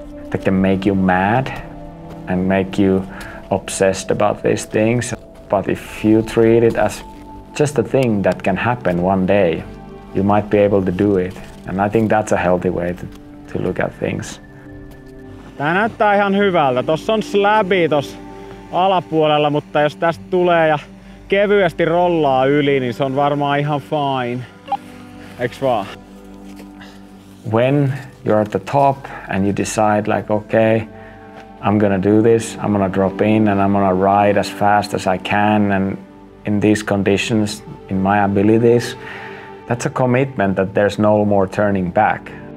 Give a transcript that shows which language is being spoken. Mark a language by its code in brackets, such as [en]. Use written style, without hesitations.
[en] That can make you mad and make you obsessed about these things. But if you treat it as just a thing that can happen one day, you might be able to do it. And I think that's a healthy way to look at things. [fi] Tää näyttää ihan hyvältä. Tossa on slabi tossa alapuolella, mutta jos tästä tulee ja kevyesti rollaa yli, niin se on varmaan ihan fine. Eiks vaan? [en] When you're at the top and you decide like, okay, I'm gonna do this, I'm gonna drop in and I'm gonna ride as fast as I can and in these conditions, in my abilities, that's a commitment that there's no more turning back.